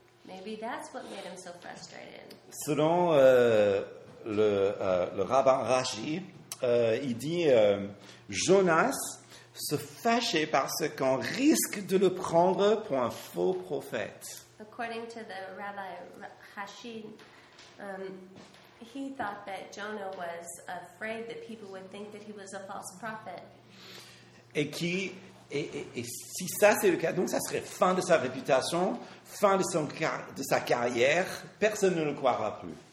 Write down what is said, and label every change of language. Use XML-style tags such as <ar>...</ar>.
<en>Maybe that's what made him so frustrated.</en> <fr>Selon le rabbin Rashi, il dit Jonas se fâchait parce qu'on risque de le prendre pour un faux prophète.</fr> <en>According to the rabbi Rashi, he thought that Jonah was afraid that people would think that he was a false prophet.</en> <fr>Et si ça c'est le cas, donc ça serait fin de sa réputation, fin de sa carrière, personne ne le croira plus.</fr>